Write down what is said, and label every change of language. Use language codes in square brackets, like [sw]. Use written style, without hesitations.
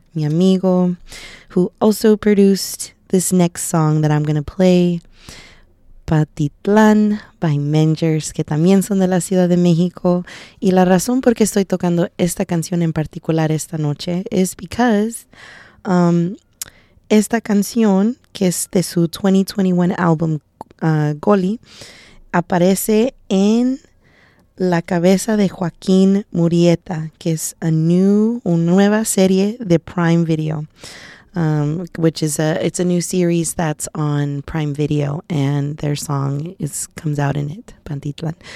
[es] Mi amigo, [en] who also produced this next song that I'm going to play. [es] Patitlán by Mengers, que también son de la Ciudad de México. Y la razón por qué estoy tocando esta canción en particular esta noche [en] is because [es] esta canción, que es de su 2021 album Goli, aparece en La Cabeza de Joaquín Murieta, que es [en] a new, [es] una nueva serie de Prime Video. [en] Which is it's a new series that's on Prime Video, and their song comes out in it, Pantitlan.